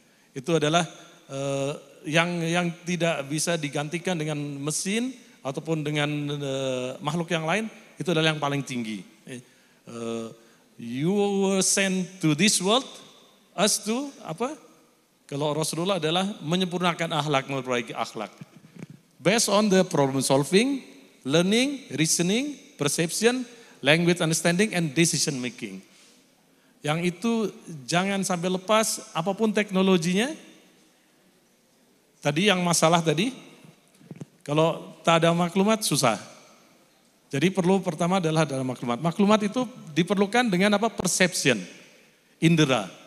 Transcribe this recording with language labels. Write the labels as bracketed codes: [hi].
[id] Itu adalah yang tidak bisa digantikan dengan mesin ataupun dengan makhluk yang lain, itu adalah yang paling tinggi. [en] You were sent to this world as to apa? [id] Kalau Rasulullah adalah menyempurnakan akhlak, memperbaiki akhlak. [en] Based on the problem solving, learning, reasoning, perception, language understanding, and decision making. [id] Yang itu jangan sampai lepas apapun teknologinya. Tadi yang masalah tadi, kalau tak ada maklumat susah. Jadi perlu pertama adalah dalam maklumat. Maklumat itu diperlukan dengan apa? Perception, indera.